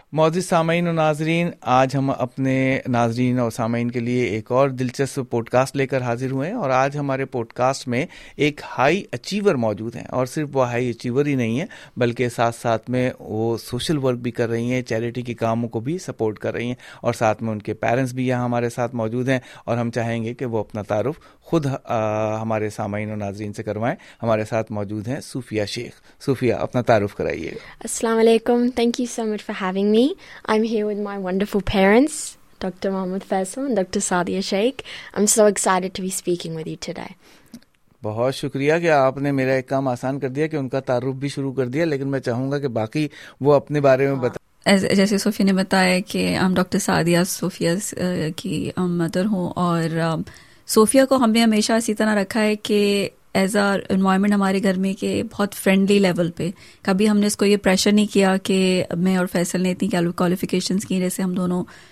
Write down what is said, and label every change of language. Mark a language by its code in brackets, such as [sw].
[ur] معزز سامعین و ناظرین، آج ہم اپنے ناظرین اور سامعین کے لیے ایک اور دلچسپ پوڈ کاسٹ لے کر حاضر ہوئے ہیں، اور آج ہمارے پوڈ کاسٹ میں ایک ہائی اچیور موجود ہیں، اور صرف وہ ہائی اچیور ہی نہیں ہیں بلکہ ساتھ ساتھ میں وہ سوشل ورک بھی کر رہی ہیں، چیریٹی کے کاموں کو بھی سپورٹ کر رہی ہیں، اور ساتھ میں ان کے پیرنٹس بھی یہاں ہمارے ساتھ موجود ہیں، اور ہم چاہیں گے کہ وہ اپنا تعارف خود ہمارے سامعین و ناظرین سے کروائیں۔ ہمارے ساتھ موجود ہیں صوفیہ شیخ۔ صوفیہ، اپنا تعارف کرائیے۔ [ar] Assalamu alaikum. [en] Thank you so much for having me. I'm here with my wonderful parents, Dr. Mohammad Faisal and Dr. Sadia Sheikh. I'm so excited to be speaking with you today. [ur] بہت شکریہ کہ آپ نے میرا ایک کام آسان کر دیا کہ ان کا تعارف بھی شروع کر دیا، لیکن میں چاہوں گا کہ باقی وہ اپنے بارے میں بتائیں۔ جیسے صوفیہ نے بتایا کہ ہم ڈاکٹر سعدیہ صوفیہ کی مدر ہوں، اور صوفیہ کو ہم نے ہمیشہ اسی طرح رکھا ہے کہ [en] as our environment [ur] ہمارے گھر میں کہ بہت فرینڈلی لیول پہ، کبھی ہم نے اس کو یہ پریشر نہیں کیا کہ میں اور فیصل نے اتنی کوالیفیکیشنس کی، جیسے ہم دونوں